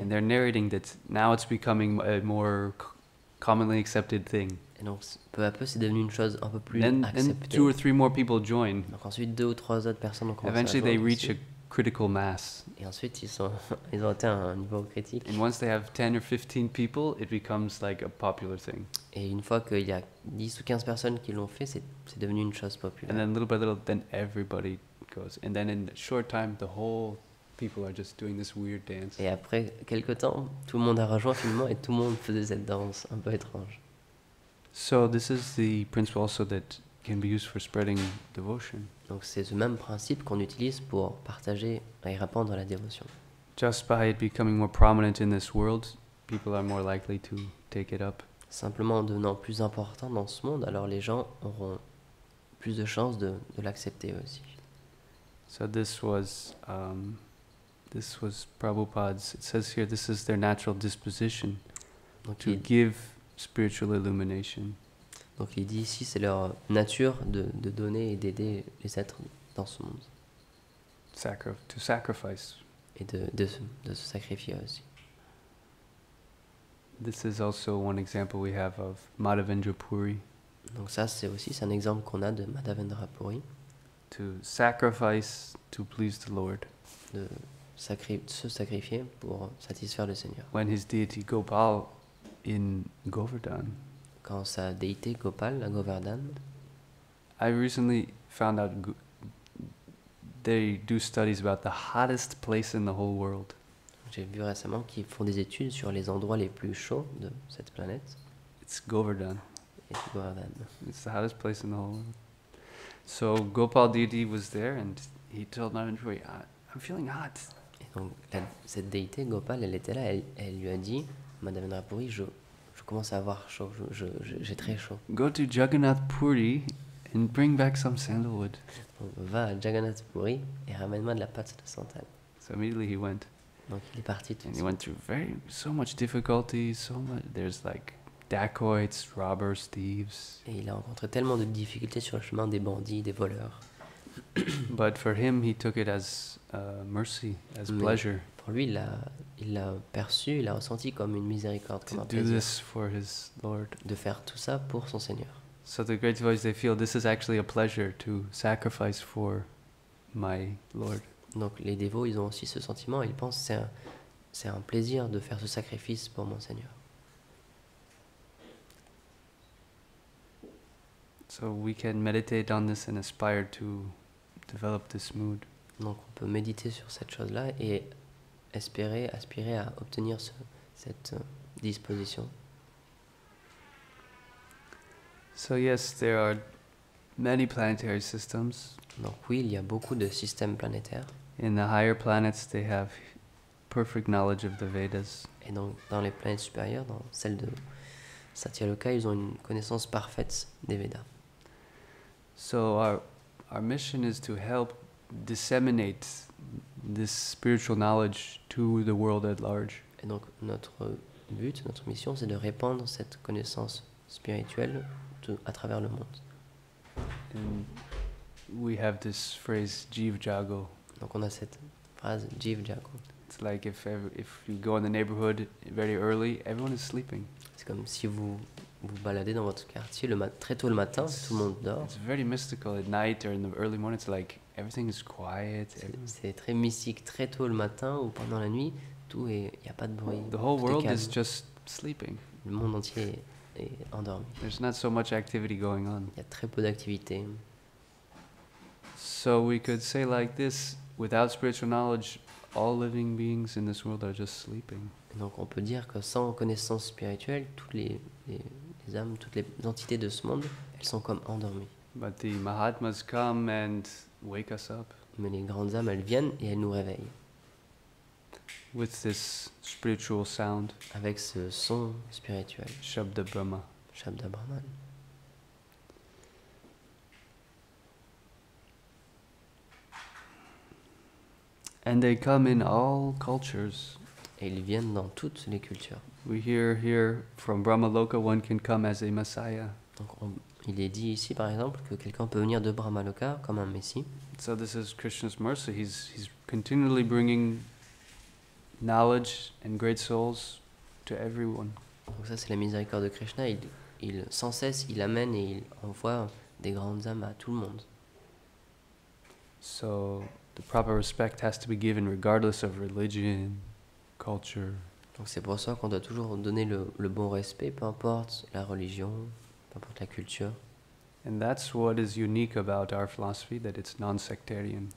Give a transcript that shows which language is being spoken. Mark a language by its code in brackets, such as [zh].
[en] And they're narrating that now it's becoming a more commonly accepted thing. [fr] Et donc peu à peu c'est devenu une chose un peu plus acceptée. [en] Then two or three more people join. [fr] Donc ensuite deux ou trois autres personnes ont commencé. [en] Eventually [fr] à jouer [en] they reach a critical mass. [fr] Et ensuite ils ont atteint un niveau critique. [en] And once they have 10 or 15 people, it becomes like a popular thing. [fr] Et une fois qu'il y a 10 ou 15 personnes qui l'ont fait, c'est devenu une chose populaire. [en] And then little by little, then everybody goes. And then in a short time, the whole people are just doing this weird dance. [fr] Et après quelques temps, tout le monde a rejoint finalement et tout le monde faisait cette danse un peu étrange. [en] So this is the principle also that can be used for spreading devotion. [fr] Donc c'est ce même principe qu'on utilise pour partager et répandre la dévotion. [en] Just by it becoming more prominent in this world, people are more likely to take it up. [fr] Simplement en devenant plus important dans ce monde, alors les gens auront plus de chances de l'accepter aussi. [en] So this was Prabhupada's. It says here, this is their natural disposition to give spiritual illumination. [fr] Donc il dit ici, c'est leur nature de donner et d'aider les êtres dans ce monde. [en] to sacrifice. [fr] Et de se sacrifier aussi. [en] This is also one example we have of Madhavendra Puri. [fr] Donc ça c'est aussi c'est un exemple qu'on a de Madhavendra Puri. [en] To sacrifice to please the Lord. [fr] Se sacrifier pour satisfaire le Seigneur. [en] When his deity Gopal in Govardhan. [fr] Quand sa déité Gopal à Govardhan. [en] I recently found out they do studies about the hottest place in the whole world. [fr] J'ai vu récemment qu'ils font des études sur les endroits les plus chauds de cette planète. [en] It's Govardhan. It's Govardhan. It's the hottest place in the whole world. So Gopal deity was there and he told Madhavendra, I'm feeling hot. [fr] Et donc cette déité Gopal, elle était là, elle lui a dit, Madhavendra Puri, je commence à avoir chaud, j'ai très chaud. [en] Go to Jagannath Puri and bring back some sandalwood. [fr] Donc, va à Jagannath Puri et ramène-moi de la pâte de santal. [en] So immediately he went. [fr] Donc il est parti tout de suite. [en] He went through so much difficulty, there's like dacoits, robbers, thieves. [fr] Et il a rencontré tellement de difficultés sur le chemin, des bandits, des voleurs. [en] But for him, he took it as mercy, as mais pleasure. [fr] Pour lui, il l'a perçu, il l'a ressenti comme une miséricorde, comme un plaisir. [en] To do this for his Lord. [fr] De faire tout ça pour son Seigneur. [en] So the great devotees, they feel this is actually a pleasure to sacrifice for my Lord. [fr] Donc les dévots, ils ont aussi ce sentiment, ils pensent c'est un plaisir de faire ce sacrifice pour mon Seigneur. [en] So we can meditate on this and aspire to develop this mood. [fr] Donc on peut méditer sur cette chose-là et aspirer à obtenir cette disposition. [en] So yes, there are many planetary systems. [fr] Donc oui, il y a beaucoup de systèmes planétaires. [en] In the higher planets, they have perfect knowledge of the Vedas. [fr] Et donc, dans les planètes supérieures, dans celles de Satyaloka, ils ont une connaissance parfaite des Vedas. [en] So our mission is to help disseminate this spiritual knowledge to the world at large. [fr] Et donc, notre but, notre mission, c'est de répandre cette connaissance spirituelle à travers le monde. [en] And we have this phrase, Jiva Jago. [fr] Donc on a cette phrase Jiv Jago. [en] It's like if you go in the neighborhood very early, everyone is sleeping. [fr] C'est comme si vous baladez dans votre quartier très tôt le matin, tout le monde dort. [en] It's very mystical at night or in the early morning. It's like everything is quiet. [fr] C'est très mystique très tôt le matin ou pendant la nuit, tout est il y a pas de bruit. [en] The whole world is just sleeping. [fr] Le monde entier est endormi. [en] There's not so much activity going on. [fr] Il y a très peu d'activité. [en] So we could say like this, without spiritual knowledge, all living beings in this world are just sleeping. [fr] Donc on peut dire que sans connaissance spirituelle, toutes les âmes, toutes les entités de ce monde, elles sont comme endormies. [en] But the Mahatmas come and wake us up. [fr] Mais les grandes âmes, elles viennent et elles nous réveillent. [en] With this spiritual sound. [fr] Avec ce son spirituel. [sa] Shabda Brahma. Shabda Brahman. [en] And they come in all cultures. [fr] Et ils viennent dans toutes les cultures. [en] We hear here from Brahma Loka, one can come as a messiah. [fr] Donc, il est dit ici, par exemple, que quelqu'un peut venir de Brahma Loka comme un messie. [en] So this is Krishna's mercy. He's continually bringing knowledge and great souls to everyone. [fr] Donc ça, c'est la miséricorde de Krishna. Il sans cesse, il amène et il envoie des grandes âmes à tout le monde. [en] So the proper respect has to be given regardless of religion, culture. [fr] Donc c'est pour ça qu'on doit toujours donner le bon respect, peu importe la religion, peu importe la culture. [en] And that's what is unique about our philosophy, that it's non-sectarian.